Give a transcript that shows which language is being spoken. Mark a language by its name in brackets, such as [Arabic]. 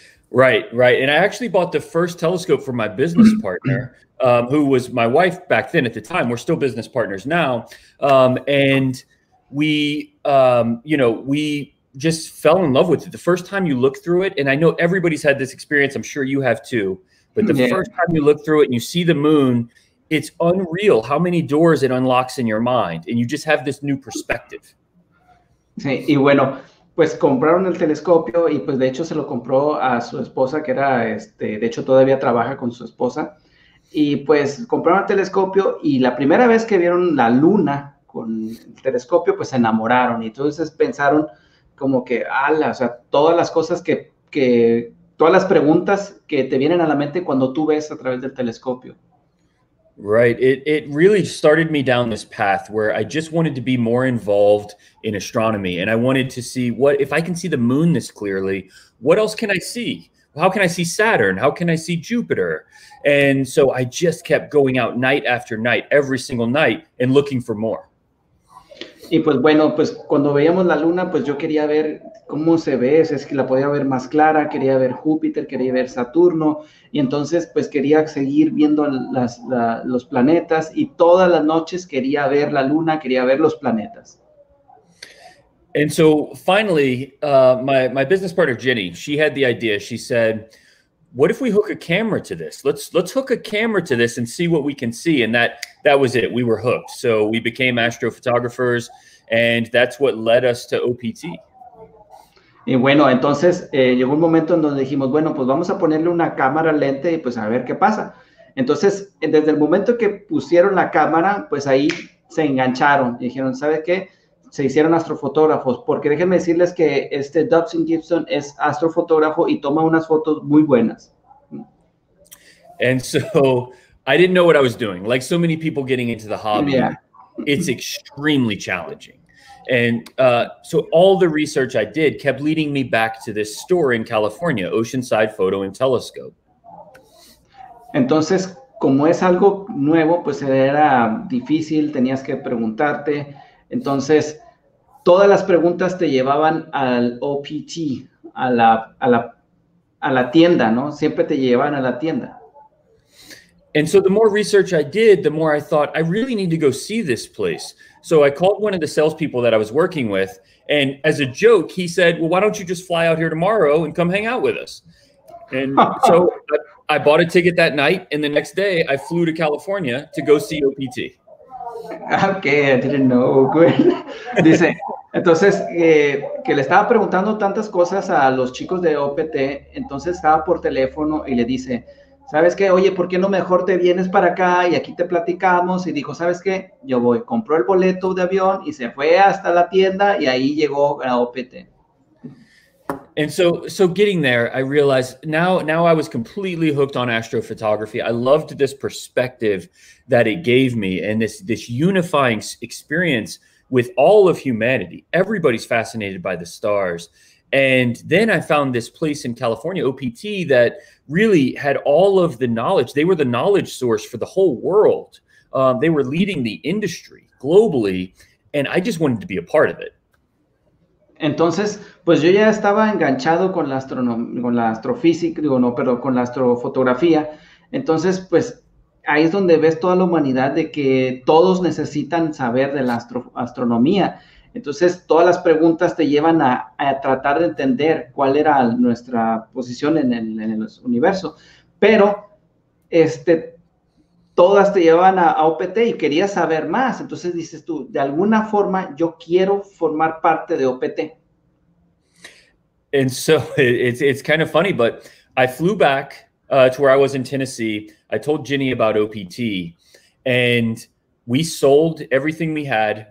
[English] Right. And I actually bought the first telescope for my business partner, who was my wife back then at the time. We're still business partners now. And we just fell in love with it. The first time you look through it, and I know everybody's had this experience, I'm sure you have too, but the Yeah. first time you look through it and you see the moon, it's unreal how many doors it unlocks in your mind, and you just have this new perspective. [Spanish] Sí, y bueno, pues compraron el telescopio y pues de hecho se lo compró a su esposa, que era, de hecho todavía trabaja con su esposa, y pues compraron el telescopio y la primera vez que vieron la luna con el telescopio, pues se enamoraron y entonces pensaron como que, ala, o sea, todas las cosas que todas las preguntas que te vienen a la mente cuando tú ves a través del telescopio. [English] Right. It really started me down this path where I just wanted to be more involved in astronomy. And I wanted to see what, if I can see the moon this clearly, what else can I see? How can I see Saturn? How can I see Jupiter? And so I just kept going out night after night, every single night, and looking for more. [Spanish] Y pues bueno, pues cuando veíamos la luna, pues yo quería ver cómo se ve, si es que la podía ver más clara, quería ver Júpiter, quería ver Saturno, y entonces pues quería seguir viendo los planetas, y todas las noches quería ver la luna, quería ver los planetas. [English] And so finally, my business partner, Jenny, she had the idea. She said, what if we hook a camera to this? Let's hook a camera to this and see what we can see. And that was it. We were hooked. So we became astrophotographers, and that's what led us to OPT. [Spanish] Y bueno, entonces llegó un momento en donde dijimos, bueno, pues vamos a ponerle una cámara al lente y pues a ver qué pasa. Entonces, desde el momento que pusieron la cámara, pues ahí se engancharon y dijeron, ¿sabes qué? Se hicieron astrofotógrafos, porque déjenme decirles que este Dobson Gibson es astrofotógrafo y toma unas fotos muy buenas. [English] And so I didn't know what I was doing. Like so many people getting into the hobby, yeah. It's extremely challenging. And so all the research I did kept leading me back to this store in California, Oceanside Photo and Telescope. [Spanish] Entonces, como es algo nuevo, pues era difícil, tenías que preguntarte. Entonces, todas las preguntas te llevaban al OPT, a la tienda, ¿no? Siempre te llevan a la tienda. [English] And so the more research I did, the more I thought, I really need to go see this place. So I called one of the salespeople that I was working with, and as a joke, he said, well, why don't you just fly out here tomorrow and come hang out with us? And so I bought a ticket that night, and the next day I flew to California to go see OPT. Okay, I didn't know. Good. [Spanish] Dice, entonces, que le estaba preguntando tantas cosas a los chicos de OPT, entonces estaba por teléfono y le dice, ¿sabes qué? Oye, ¿por qué no mejor te vienes para acá y aquí te platicamos? Y dijo, ¿sabes qué? Yo voy. Compró el boleto de avión y se fue hasta la tienda y ahí llegó a OPT. [English] And so getting there, I realized now I was completely hooked on astrophotography. I loved this perspective that it gave me and this unifying experience with all of humanity. Everybody's fascinated by the stars. And then I found this place in California, OPT, that really had all of the knowledge. They were the knowledge source for the whole world. They were leading the industry globally, and I just wanted to be a part of it. [Spanish] Entonces, pues yo ya estaba enganchado con la con la astrofotografía. Entonces, pues ahí es donde ves toda la humanidad de que todos necesitan saber de la astronomía. Entonces, todas las preguntas te llevan a tratar de entender cuál era nuestra posición en el universo. Pero, todas te llevan a OPT y querías saber más. Entonces, dices tú, de alguna forma, yo quiero formar parte de OPT. [English] And so, it's kind of funny, but I flew back to where I was in Tennessee. I told Jenny about OPT, and we sold everything we had.